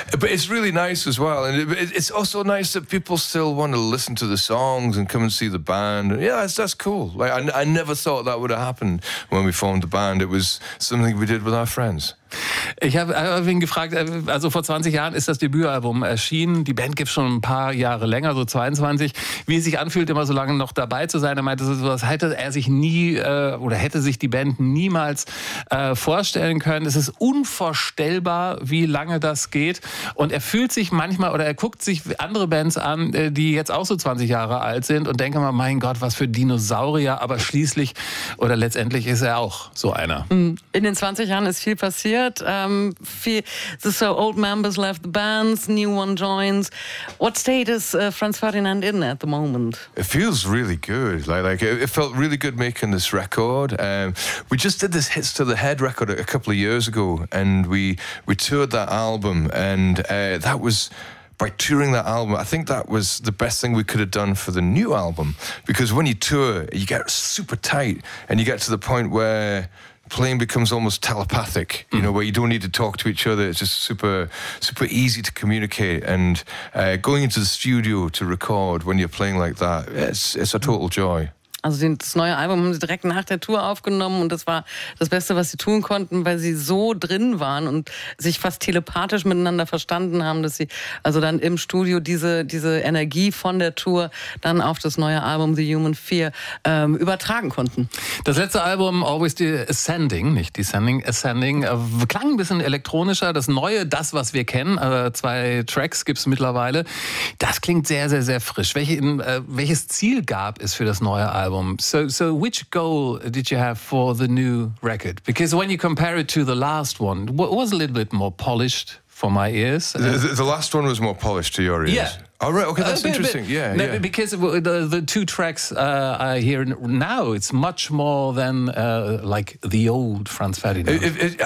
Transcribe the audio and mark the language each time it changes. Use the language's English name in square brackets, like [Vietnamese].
[English] But it's really nice as well. And it's also nice that people still want to listen to the songs and come and see the band. Yeah, that's cool. Like, I never thought that would have happened when we formed the band. It was something we did with our friends. [German] Ich habe ihn gefragt, also vor 20 Jahren ist das Debütalbum erschienen. Die Band gibt es schon ein paar Jahre länger, so 22. Wie es sich anfühlt, immer so lange noch dabei zu sein. Er meinte, sowas hätte er sich nie oder hätte sich die Band niemals vorstellen können. Es ist unvorstellbar, wie lange das geht. Und er fühlt sich manchmal oder er guckt sich andere Bands an, die jetzt auch so 20 Jahre alt sind und denkt immer, mein Gott, was für Dinosaurier. Aber schließlich oder letztendlich ist er auch so einer. In den 20 Jahren ist viel passiert. [English] So old members left the bands, new one joins. What state is Franz Ferdinand in at the moment? It feels really good. It felt really good making this record. We just did this Hits to the Head record a couple of years ago, and we toured that album, and that was... By touring that album, I think that was the best thing we could have done for the new album. Because when you tour, you get super tight, and you get to the point where... playing becomes almost telepathic, you know, where you don't need to talk to each other. It's just super, super easy to communicate. And going into the studio to record when you're playing like that, it's a total joy. [German] Also das neue Album haben sie direkt nach der Tour aufgenommen und das war das Beste, was sie tun konnten, weil sie so drin waren und sich fast telepathisch miteinander verstanden haben, dass sie also dann im Studio diese Energie von der Tour dann auf das neue Album The Human Fear übertragen konnten. Das letzte Album, Always the Ascending, nicht Descending, Ascending, klang ein bisschen elektronischer. Das neue, das, was wir kennen, zwei Tracks gibt es mittlerweile, das klingt sehr, sehr, sehr frisch. Welches Ziel gab es für das neue Album? [English] So which goal did you have for the new record? Because when you compare it to the last one, it was a little bit more polished for my ears. The last one was more polished to your ears? Yeah. All right. Okay, that's interesting. Because the two tracks I hear now, it's much more than like the old Franz Ferdinand.